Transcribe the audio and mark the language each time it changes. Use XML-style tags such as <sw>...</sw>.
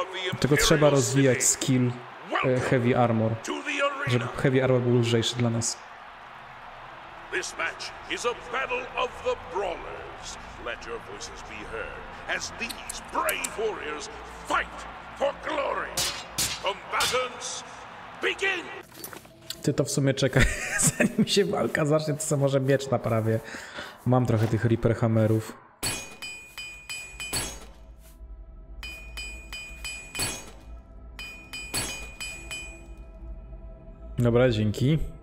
<pl>Dlatego trzeba rozwijać skill heavy armor, żeby heavy armor był lżejszy dla nas.</pl> <en>This match is a battle of the brawlers. Let your voices be heard as these brave warriors fight for glory. Combatants, begin!</en> <pl>Ty to w sumie czekaj, zanim się walka zacznie, to co może miecz naprawię. Mam trochę tych Reaper Hammerów. Dobra, dzięki.</pl>